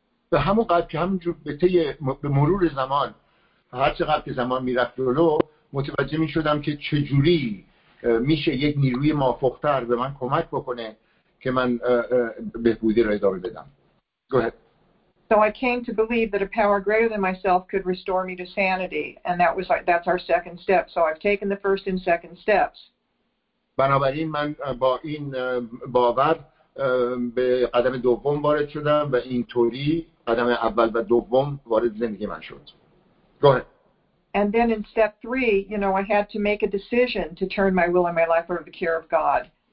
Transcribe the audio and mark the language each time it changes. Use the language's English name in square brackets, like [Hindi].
[Persian] به همون قدر که همونجور به مرور زمان هر چقدر که زمان می رفت جلو متوجه می شدم که چجوری میشه یک نیروی مافوق‌تر به من کمک بکنه که من بهبودی را ادامه بدم. [English] Go ahead. So I came to believe that a power greater than myself could restore me to sanity, and that's our second step. So I've taken the first and second steps. [Persian] بنابراین من با این باور به قدم دوم وارد شدم و اینطوری قدم اول و دوم وارد زندگی من شد. [English] Go ahead. And then in step three, you know, I had to make a decision to turn my will and my life over to the care of God.